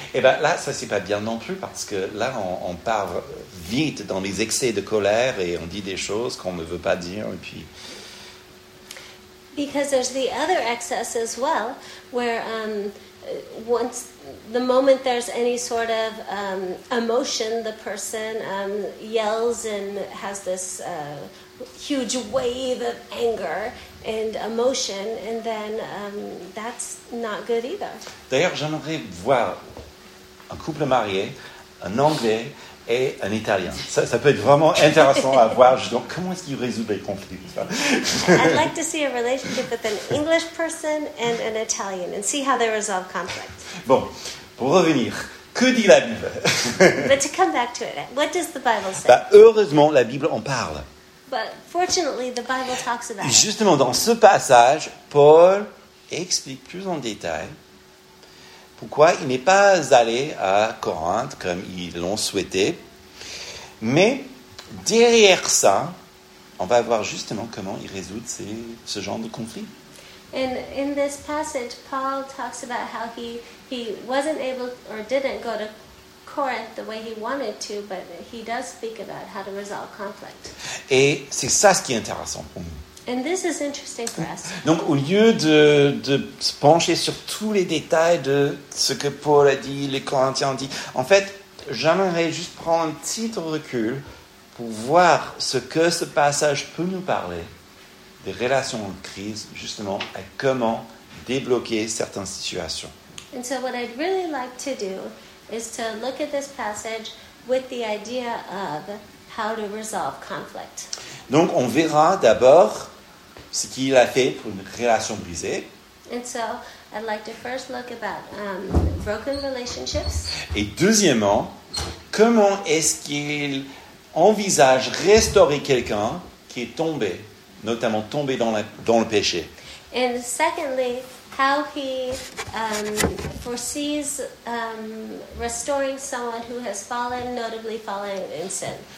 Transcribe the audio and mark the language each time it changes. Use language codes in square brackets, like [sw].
[fr] Et bah, là, ça, c'est pas bien non plus, parce que là, on part vite dans les excès de colère et on dit des choses qu'on ne veut pas dire. Et puis... [en] Because there's the other excess as well, where once the moment there's any sort of emotion, the person yells and has this huge wave of anger and emotion, and then that's not good either. [fr] D'ailleurs, j'aimerais voir un couple marié, un Anglais et un Italien. Ça peut être vraiment intéressant à voir. Donc, comment est-ce qu'ils résolvent les conflits? [en] I'd like to see a relationship with an English person and an Italian and see how they resolve conflict. [fr] Bon, pour revenir, que dit la Bible? [en] But to come back to it, what does the Bible say? [fr] Bah, heureusement, la Bible en parle. [en] But fortunately, the Bible talks about it. [fr] Justement, dans ce passage, Paul explique plus en détail pourquoi il n'est pas allé à Corinthe comme ils l'ont souhaité. Mais derrière ça, on va voir justement comment il résout ce genre de conflit. [en] And in this passage, Paul talks about how he wasn't able or didn't go to Corinth the way he wanted to, but he does speak about how to resolve conflict. [fr] Et c'est ça ce qui est intéressant pour nous. [en] And this is interesting for us. [fr] Donc, au lieu de se pencher sur tous les détails de ce que Paul a dit, les Corinthiens ont dit, en fait, j'aimerais juste prendre un petit recul pour voir ce que ce passage peut nous parler des relations en crise, justement, et comment débloquer certaines situations. [en] And so what I'd really like to do is to look at this passage with the idea of how to resolve conflict. [fr] Donc, on verra d'abord ce qu'il a fait pour une relation brisée. [en] And so, I'd like to first look about broken relationships. [fr] Et deuxièmement, comment est-ce qu'il envisage restaurer quelqu'un qui est tombé, notamment tombé dans le péché. [en] And secondly, how he foresees restoring someone who has fallen, notably fallen in sin.